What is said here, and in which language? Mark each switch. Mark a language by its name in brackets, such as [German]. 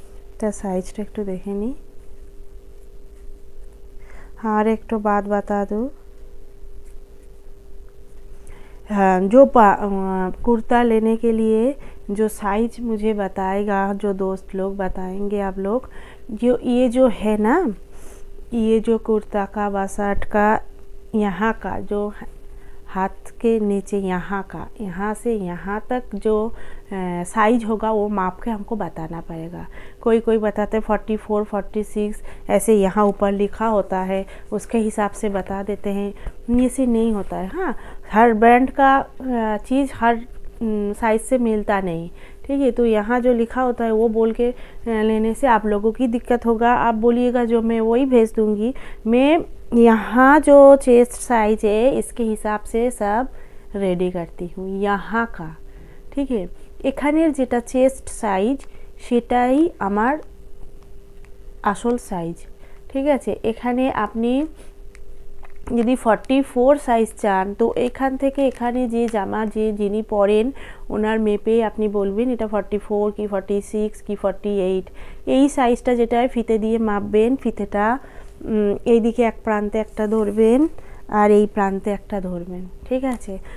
[Bangla] একটা সাইজটা একটু দেখে নিই, আর একটু বাদ বাতা দু। [Hindi] हाँ, जो कुर्ता लेने के लिए जो साइज मुझे बताएगा, जो दोस्त लोग बताएंगे आप लोग, जो ये जो है ना, ये जो कुर्ता का बासाट का यहाँ का जो हाथ के नीचे यहाँ का, यहाँ से यहाँ तक जो साइज होगा वो माप के हमको बताना पड़ेगा। कोई कोई बताते 44 46 ऐसे यहाँ ऊपर लिखा होता है, उसके हिसाब से बता देते हैं, ऐसे नहीं होता है। हाँ, हर ब्रांड का चीज़ हर साइज से मिलता नहीं, ठीक है। तो यहाँ जो लिखा होता है वो बोल के लेने से आप लोगों की दिक्कत होगा। आप बोलिएगा जो मैं वही भेज दूँगी, मैं यहाँ जो चेस्ट साइज है इसके हिसाब से सब रेडी करती हूँ यहाँ का, ठीक है। [Bangla] এখানে যেটা চেস্ট সাইজ সেটাই আমার আসল সাইজ, ঠিক আছে। এখানে আপনি যদি 44 সাইজ চান, তো এখান থেকে এখানে যে জামা যে যিনি পরেন ওনার মেপে আপনি বলবেন এটা 44 কি 46 কি 48, এই সাইজটা যেটায় ফিতে দিয়ে মাপবেন, ফিতেটা এইদিকে এক প্রান্তে একটা ধরবেন আর এই প্রান্তে একটা ধরবেন, ঠিক আছে।